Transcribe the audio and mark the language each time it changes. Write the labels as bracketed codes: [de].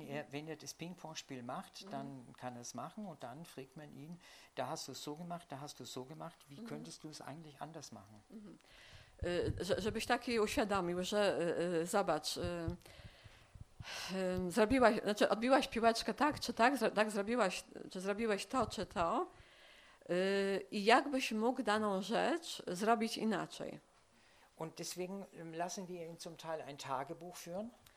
[de] Wenn ihr das Ping-Pong-Spiel macht, dann kann er es machen und dann fragt man ihn, da hast du es so gemacht, da hast du es so gemacht, wie könntest du es eigentlich anders machen? [pl] Żebyś taki uświadomił, że zobacz, zrobiłaś, znaczy odbiłaś piłeczkę tak czy tak, tak zrobiłaś, czy zrobiłeś to czy to i jakbyś mógł daną rzecz zrobić inaczej. [de] Und deswegen lassen wir ihn zum Teil ein Tagebuch führen.